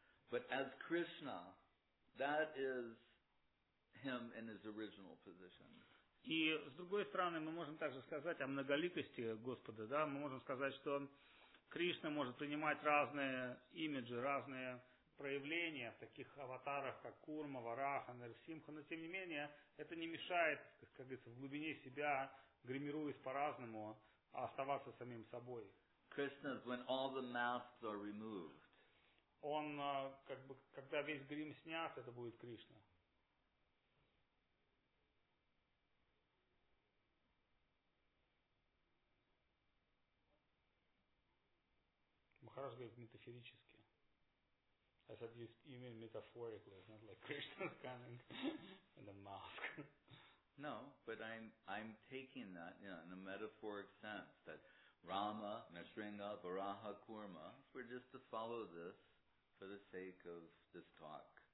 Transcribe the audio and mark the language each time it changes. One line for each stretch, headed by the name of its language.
English: But as Krishna, that is him in his original position.
Russian: И с другой стороны, мы можем также сказать о многоликости Господа, да? Мы можем сказать, что Кришна может принимать разные имиджи, разные проявления в таких аватарах, как Курма, Вараха, Нарсимха, но тем не менее, это не мешает, как говорится, в глубине себя гримируясь по-разному, а оставаться самим собой.
English: Krishna, when all the masks are removed.
Russian: Он, как бы, когда весь грим снят, это будет Кришна. Махарадж говорит метафорически.
English: I said, you mean metaphorically, it's not like Krishna's coming in a mask. No, but I'm taking that, you know, in a metaphoric sense, that Rama, Nrisinga, Varaha, Kurma, we're just to follow this for the sake of this talk.